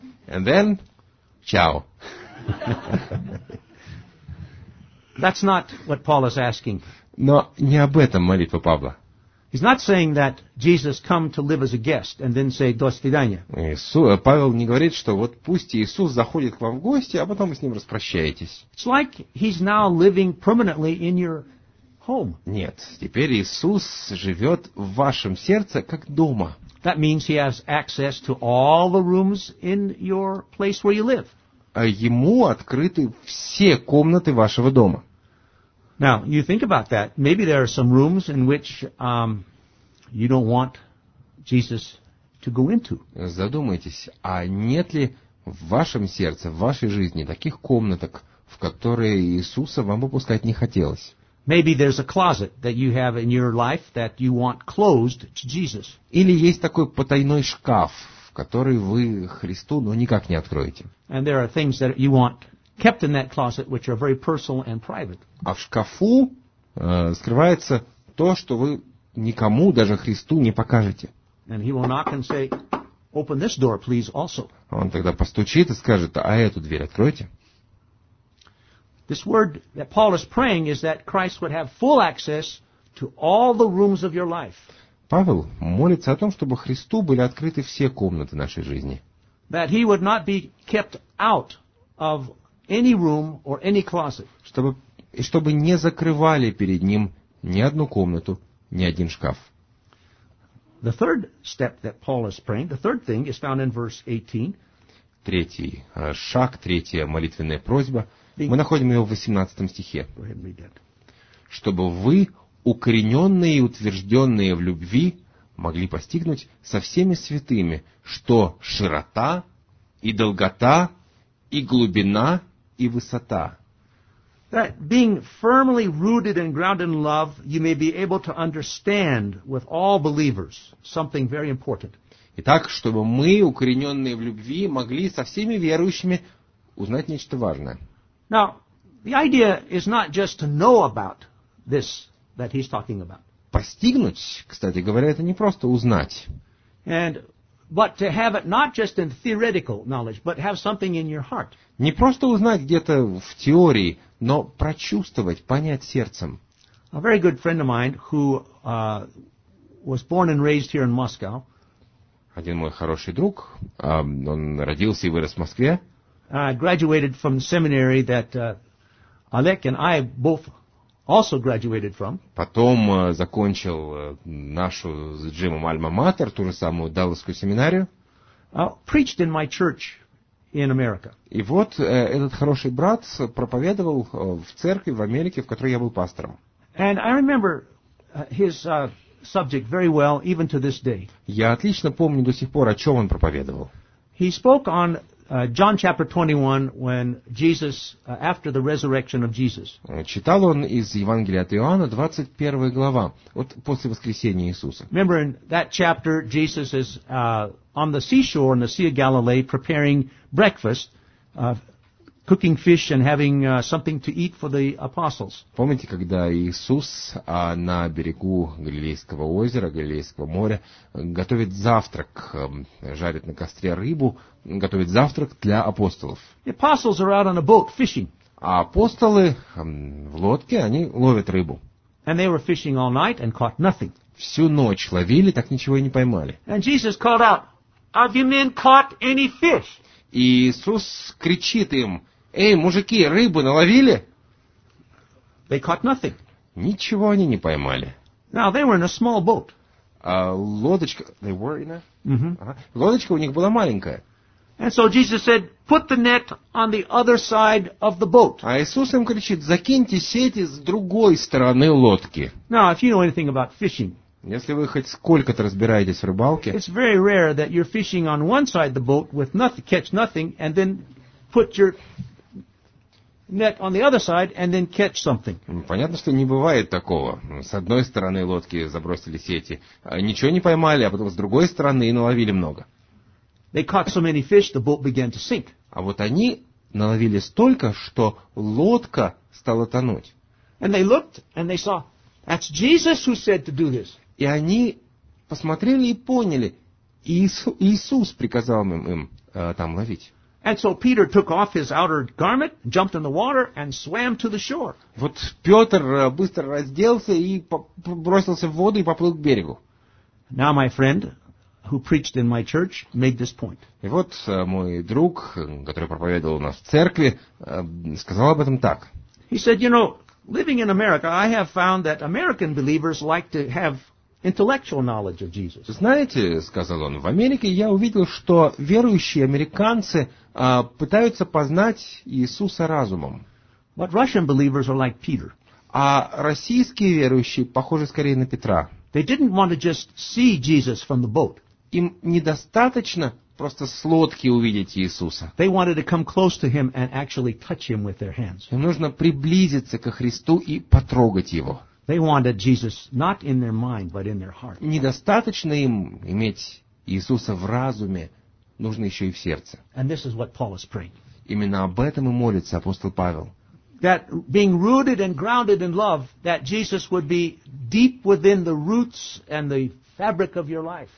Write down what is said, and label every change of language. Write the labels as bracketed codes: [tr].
[en] And then, ciao. That's not what Paul is asking. [ru] Но не об этом молитва Павла. [en] He's not saying that Jesus come to live as a guest and then say [ru] до свидания. Павел не говорит, что вот пусть Иисус заходит к вам в гости, а потом вы с ним распрощаетесь. [en] It's like he's now living permanently in your home. [ru] Нет, теперь Иисус живет в вашем сердце как дома. [en] That means he has access to all the rooms in your place where you live. [ru] А ему открыты все комнаты вашего дома. [en] Now, you think about that. Maybe there are some rooms in which you don't want Jesus to go into. [ru] Задумайтесь, а нет ли в вашем сердце, в вашей жизни таких комнаток, в которые Иисуса вам выпускать не хотелось. [en] Maybe there's a closet that you have in your life that you want closed to Jesus. [ru] Или есть такой потайной шкаф, в который вы Христу, ну, никак не откроете. [en] And there are things that you want kept in that closet which are very personal and private. [ru] А в шкафу скрывается то, что вы никому, даже Христу, не покажете. [en] And he will knock and say, "Open this door, please, also." [ru] Он тогда постучит и скажет: "А эту дверь откройте." [en] This word that Paul is praying is that Christ would have full access to all the rooms of your life. [ru] Павел молится о том, чтобы Христу были открыты все комнаты нашей жизни. [en] That he would not be kept out of any room or any closet. [ru] Чтобы не закрывали перед ним ни одну комнату, ни один шкаф. [en] The third step that Paul is praying, the third thing is found in verse 18. [ru] Третий шаг, третья молитвенная просьба. Мы находим ее в 18 стихе. Чтобы вы, укорененные и утвержденные в любви, могли постигнуть со всеми святыми, что широта и долгота и глубина и высота. [en] That being firmly rooted and grounded in love, you may be able to understand with all believers something very important. [ru] Итак, чтобы мы, укорененные в любви, могли со всеми верующими узнать нечто важное. [en] Now, the idea is not just to know about this that he's talking about. [ru] Постигнуть, кстати говоря, это не просто узнать. [en] But to have it not just in theoretical knowledge, but have something in your heart. [ru] Не просто узнать где-то в теории, но прочувствовать, понять сердцем. [en] A very good friend of mine who was born and raised here in Moscow. [ru] Один мой хороший друг, он родился и вырос в Москве. [en] Graduated from the seminary that Alec and I both also graduated from. [ru] Потом закончил нашу с Джимом альма-матер, ту же самую Далласскую семинарию. [en] Preached in my church in America. [ru] И вот этот хороший брат проповедовал в церкви в Америке, в которой я был пастором. [en] And I remember his subject very well, even to this day. [ru] Я отлично помню до сих пор, о чем он проповедовал. [en] He spoke on John chapter 21, when Jesus, after the resurrection of Jesus. [ru] Читал он из Евангелия от Иоанна 21 глава, вот после воскресения Иисуса. [en] Remember, in that chapter, Jesus is on the seashore in the Sea of Galilee, preparing breakfast, cooking fish and having something to eat for the apostles. [ru] Помните, когда Иисус на берегу Галилейского озера, Галилейского моря, готовит завтрак, жарит на костре рыбу, готовит завтрак для апостолов. [en] The apostles are out on a boat fishing. [ru] А апостолы в лодке, они ловят рыбу. [en] And they were fishing all night and caught nothing. [ru] Всю ночь ловили, так ничего и не поймали. [en] And Jesus called out, "Have you men caught any fish?" [ru] И Иисус кричит им: «Эй, мужики, рыбу наловили?» [en] They caught nothing. [ru] Ничего они не поймали. [en] Now they were in a small boat. [ru] Лодочка, [en] they were in a... [ru] Лодочка у них была маленькая. [en] And so Jesus said, "Put the net on the other side of the boat." [ru] А Иисус им кричит: «Закиньте сети с другой стороны лодки». [en] Now, if you know anything about fishing, [ru] если вы хоть сколько-то разбираетесь в рыбалке, [en] it's very rare that you're fishing on one side of the boat with nothing, catch nothing, and then put your net on the other side and then catch something. [ru] Понятно, что не бывает такого. С одной стороны лодки забросили сети, ничего не поймали, а потом с другой стороны и наловили много. [en] They caught so many fish, the boat began to sink. [ru] А вот они наловили столько, что лодка стала тонуть. [en] And they looked and they saw, that's Jesus who said to do this. [ru] И они посмотрели и поняли, Иисус приказал им там ловить. [en] And so Peter took off his outer garment, jumped in the water, and swam to the shore. [ru] Вот Петр быстро разделся и бросился в воду и поплыл к берегу. [en] Now my friend, who preached in my church, made this point. [ru] И вот мой друг, который проповедовал у нас в церкви, сказал об этом так. [en] He said, "You know, living in America, I have found that American believers like to have intellectual knowledge of Jesus." [ru] Знаете, сказал он, в Америке я увидел, что верующие американцы пытаются познать Иисуса разумом. [en] But Russian believers are like Peter. [ru] А российские верующие похожи скорее на Петра. [en] They didn't want to just see Jesus from the boat. [ru] Им недостаточно просто с лодки увидеть Иисуса. [en] They wanted to come close to him and actually touch him with their hands. [ru] Им нужно приблизиться ко Христу и потрогать его. [en] They wanted Jesus not in their mind, but in their heart. [ru] Недостаточно им иметь Иисуса в разуме, нужно еще и в сердце. [en] And this is what Paul is praying. [ru] Именно об этом и молится апостол Павел. [en] That being rooted and grounded in love, that Jesus would be deep within the roots and the fabric of your life.